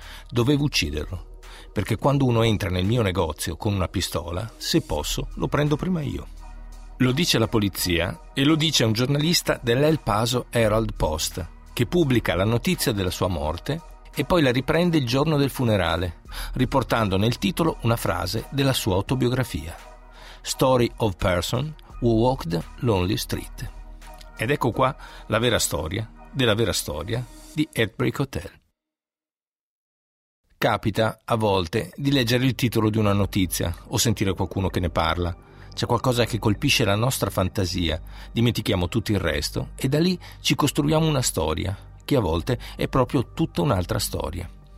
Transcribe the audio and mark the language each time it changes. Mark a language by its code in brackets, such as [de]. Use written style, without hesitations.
[it] Dovevo ucciderlo, perché quando uno entra nel mio negozio con una pistola, se posso, lo prendo prima io. Lo dice la polizia e lo dice un giornalista dell'El Paso Herald Post, che pubblica la notizia della sua morte e poi la riprende il giorno del funerale, riportando nel titolo una frase della sua autobiografia. [en] Story of person who walked lonely street. [it] Ed ecco qua la vera storia della vera storia di Heartbreak Hotel. Capita a volte di leggere il titolo di una notizia o sentire qualcuno che ne parla. C'è qualcosa che colpisce la nostra fantasia, dimentichiamo tutto il resto e da lì ci costruiamo una storia, che a volte è proprio tutta un'altra storia.